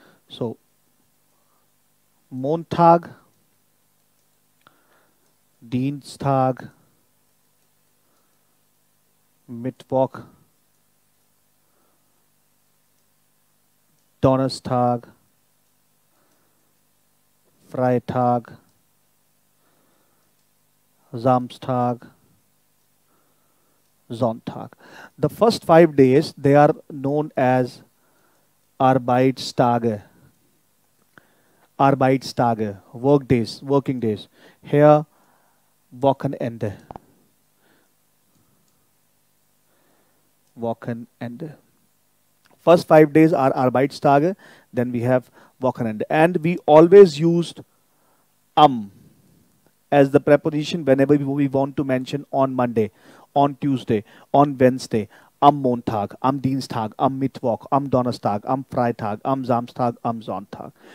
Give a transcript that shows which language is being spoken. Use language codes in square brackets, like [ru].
[de] So Montag, Dienstag, Mittwoch, Donnerstag, Freitag, Samstag, Sonntag. [en] The first 5 days, they are known as Arbeitstage. Arbeitstage, work days, working days. Here, Wochenende. Wochenende. First 5 days are Arbeitstage, then we have Wochenende. And we always used am as the preposition whenever we want to mention on Monday, on Tuesday, on Wednesday. [de] Am Montag, am Dienstag, am Mittwoch, am Donnerstag, am Freitag, am Samstag, am Sonntag.